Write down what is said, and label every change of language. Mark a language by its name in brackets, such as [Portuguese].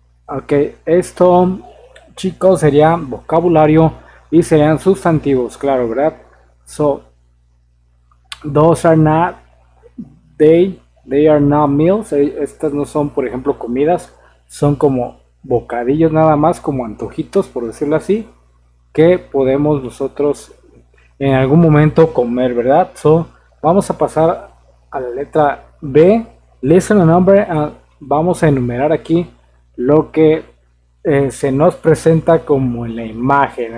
[Spanish] Okay, esto, chicos, sería vocabulario y serían sustantivos, claro, ¿verdad? [English] So, those are not, they are not meals. [Spanish] Estas no son, por ejemplo, comidas, son como bocadillos nada más, como antojitos, por decirlo así, que podemos nosotros en algún momento comer, ¿verdad? So, vamos a pasar a la letra B, [English] listen a number, and [Spanish] vamos a enumerar aquí lo que se nos presenta como en la imagen.